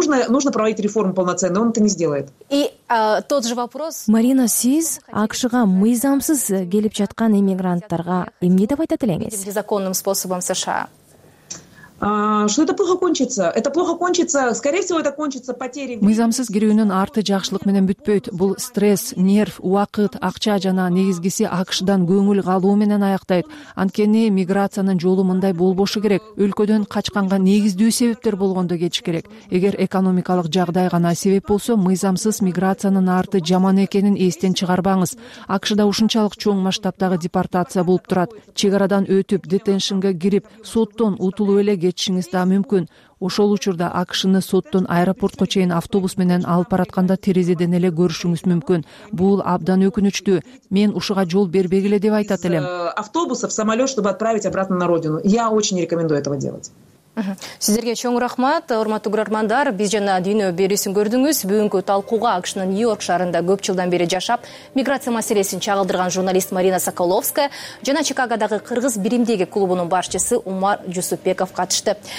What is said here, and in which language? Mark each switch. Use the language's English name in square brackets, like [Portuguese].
[Russian] Нужно проводить реформу полноценную, он это не сделает. И тот же вопрос. [Kyrgyz] Марина, сиз АКШ-га мыйзамсыз келип жаткан иммигранттарга эмне деп айтат элеңиз? [Russian] Незаконным способом США. Что это плохо кончится? Это плохо кончится, скорее всего, это кончится потерей. [Kyrgyz] Мыйзамсыз кирүүнүн арты жакшылык менен бүтпөйт. Бул стресс, нерв, уакыт, акча жана негизгиси акшыдан көңүл калуу менен аяктайт. Анткени миграциянын жолу мындай болбошу керек. Өлкөдөн качканга негиздүү себептер болгондо кечиш керек. Эгер экономикалык жагдай гана себеп болсо, мыйзамсыз миграциянын арты жаман экенин эстен чыгарбаңыз. Акшыда ушунчалык чоң масштабтагы депортация болуп турат. Чек арадан өтүп, детеншинге кирип, соттон утулуп эле кетишиңиз да мүмкүн. Ошол учурда АКШны соттон аэропортко чейин автобус менен алып баратканда терезеден эле көрүшүңүз мүмкүн. Бул абдан өкүнүчтүү. Мен ушуга жол бербегиле деп айтат элем. [Russian] Автобусов, самолет, чтобы отправить обратно на родину. Я очень рекомендую этого делать. [Kyrgyz] Сиздерге чоң рахмат, урматтуу көрөрмандар. Биз жана дүйнө берүүсүн көрдүңүз. Бүгүнкү талкууга АКШнын Нью-Йорк шаарында көп жылдан бери жашап, миграция маселесин чагылдырган журналист Марина Соколовская жана Чикагодагы кыргыз биримдиги клубунун башчысы Умар Жусупбеков катышты.